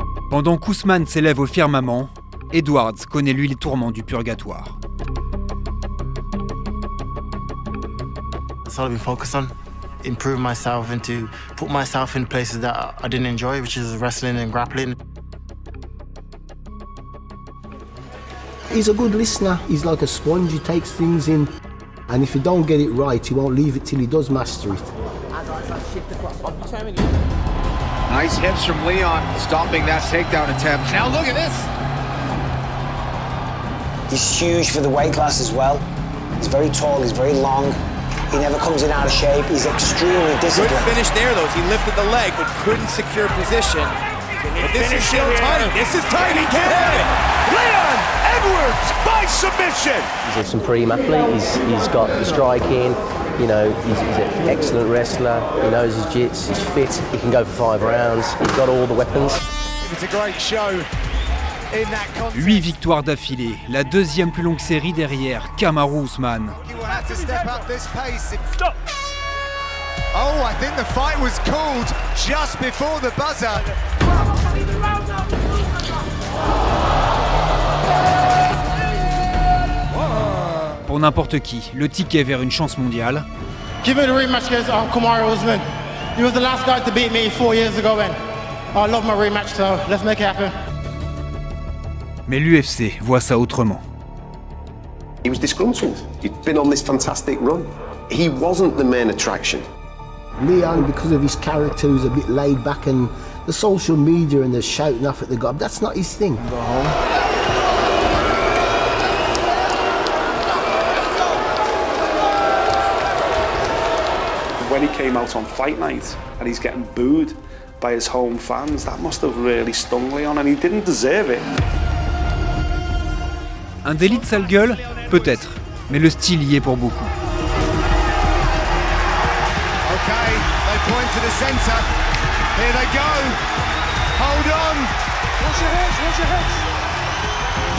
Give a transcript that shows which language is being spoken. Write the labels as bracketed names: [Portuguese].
[French] Pendant qu'Ousmane s'élève au firmament, Edwards connaît lui les tourments du purgatoire. [English] That's all I've been focused on. Improve myself and to put myself in places that I didn't enjoy, which is wrestling and grappling. He's a good listener. He's like a sponge. He takes things in. And if you don't get it right, he won't leave it till he does master it. Nice hips from Leon, stopping that takedown attempt. Now look at this. He's huge for the weight class as well. He's very tall. He's very long. He never comes in out of shape. He's extremely disciplined. Good finish there, though. He lifted the leg, but couldn't secure position. But this is still tiny. This is tiny. Can he get it? Leon Edwards by submission. He's a supreme athlete. He's got the striking. You know, he's an excellent wrestler. He knows his jits. He's fit. He can go for five rounds. He's got all the weapons. It's a great show. [French] 8 victoires d'affilée, la deuxième plus longue série derrière Kamaru Usman. [English] Oh, I think the fight was called just before the buzzer. [French] Pour n'importe qui, le ticket vers une chance mondiale. [English] Give me the rematch against Kamaru Usman. He was the last guy to beat me 4 years ago, and I love my rematch, so let's make it happen. [French] Mais l'UFC voit ça autrement. [English] He was disgruntled. He'd been on this fantastic run. He wasn't the main attraction. Leon, because of his character, was a bit laid back, and the social media and the shouting off at the gob, that's not his thing. When he came out on fight night and he's getting booed by his home fans, that must have really stung Leon, and he didn't deserve it. [French] Un délit de sale gueule, peut-être, mais le style y est pour beaucoup. [English] Okay, they point to the center. Here they go. Hold on. Watch your hands, watch your hands.